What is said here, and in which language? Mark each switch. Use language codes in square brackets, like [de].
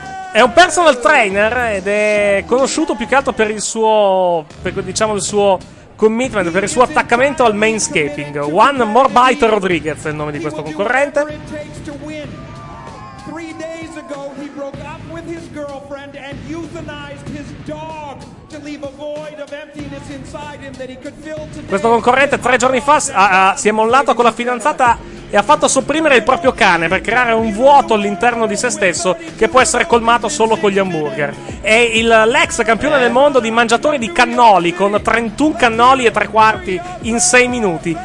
[it] È un personal trainer ed è conosciuto più che altro per il suo, per, diciamo, il suo commitment, per il suo attaccamento al mainscaping. One More Bite Rodriguez è il nome di questo concorrente. [en] ago, he broke up with his girlfriend and euthanized his dog to leave a void of emptiness inside him that he could fill today. [it] Questo concorrente tre giorni fa si è mollato con la fidanzata e ha fatto sopprimere il proprio cane per creare un vuoto all'interno di se stesso che può essere colmato solo con gli hamburger. È l'ex campione del mondo di mangiatori di cannoli, con 31 cannoli e tre quarti in 6 minuti.